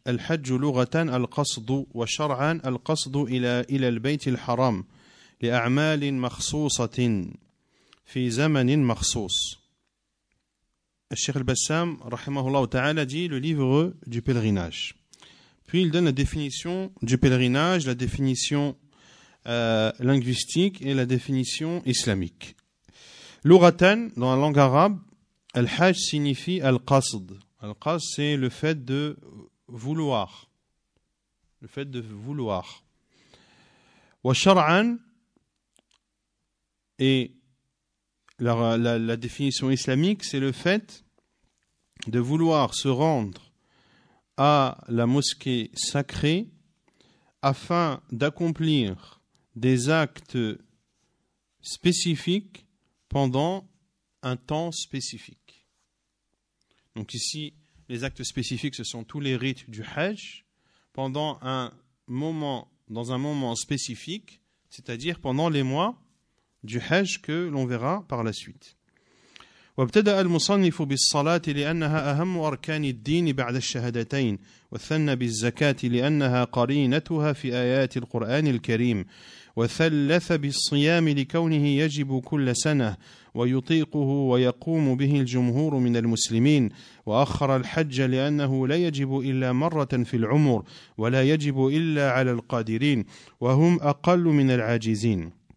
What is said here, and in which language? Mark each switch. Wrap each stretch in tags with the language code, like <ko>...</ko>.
<ar>الحج لغة القصد وشرعا القصد الى البيت الحرام لأعمال مخصوصة في زمن مخصوص.</ar> <fr>الشيخ البسام رحمه الله تعالى دي لو ليفر دو بيلريناج. Puis il donne la définition du pèlerinage, la définition linguistique et la définition islamique. Lughatan, dans la langue arabe, al-hajj signifie al-qasd. Al-qasd, c'est le fait de vouloir. Le fait de vouloir. Wa shar'an, et la définition islamique, c'est le fait de vouloir se rendre à la mosquée sacrée afin d'accomplir des actes spécifiques pendant un temps spécifique. Donc ici, les actes spécifiques, ce sont tous les rites du Hajj pendant un moment, dans un moment spécifique, c'est-à-dire pendant les mois du Hajj que l'on verra par la suite.</fr> <ar>وابتدا المصنف بالصلاه لانها اهم اركان الدين بعد الشهادتين وثنى بالزكاه لانها قرينتها في ايات القران الكريم وثلث بالصيام لكونه يجب كل سنه ويطيقه ويقوم به الجمهور من المسلمين واخر الحج لانه لا يجب الا مره في العمر ولا يجب الا على القادرين وهم اقل من العاجزين</ar>